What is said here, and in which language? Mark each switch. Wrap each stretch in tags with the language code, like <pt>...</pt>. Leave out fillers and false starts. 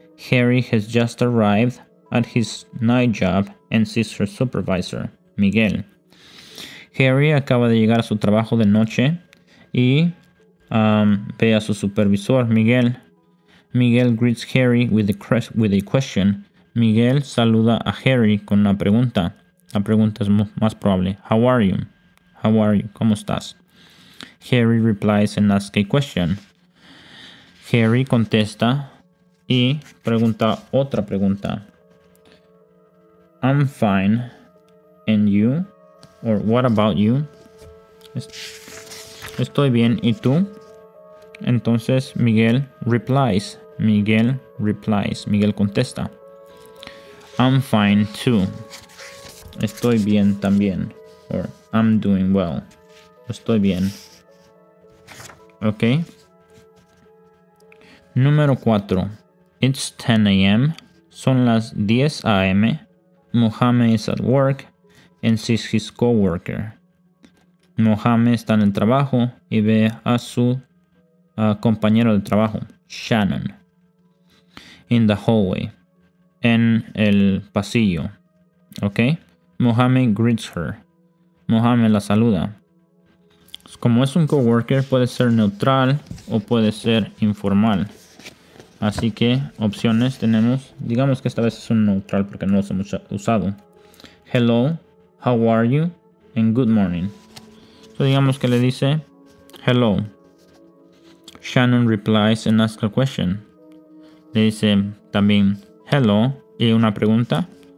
<en>Harry has just arrived at his night job and sees her supervisor, Miguel.</en> <es>Harry acaba de llegar a su trabajo de noche y ve a su supervisor, Miguel.</es> <en>Miguel greets Harry with a question.</en> <es>Miguel saluda a Harry con una pregunta. La pregunta es más probable.</es> <en>How are you? How are you?</en> <es>¿Cómo estás?</es> <en>Harry replies and asks a question.</en> <es>Harry contesta y pregunta otra pregunta.</es> <en>I'm fine. And you? Or what about you?</en> <es>Estoy bien. ¿Y tú? Entonces</es> <en>Miguel replies. Miguel replies.</en> <es>Miguel contesta.</es> <en>I'm fine too.</en> <es>Estoy bien también.</es> <en>Or I'm doing well.</en> <es>Estoy bien. Ok. Número 4.</es> <en>It's 10 a.m.</en> <es>Son las 10 a.m.</es> <en>Mohamed is at work and sees his coworker.</en> <es>Mohamed está en el trabajo y ve a su compañero de trabajo, Shannon,</es> <en>in the hallway,</en> <es>en el pasillo.</es> <en>Ok. Mohamed greets her.</en> <es>Mohamed la saluda. Como es un coworker, puede ser neutral o puede ser informal. Así que opciones tenemos. Digamos que esta vez es un neutral porque no lo hemos usado.</es> <en>Hello, how are you? And good morning.</en> <es>So digamos que le dice hello.</es> <en>Shannon replies and asks a question.</en> <es>Le dice también hello y una pregunta.</es>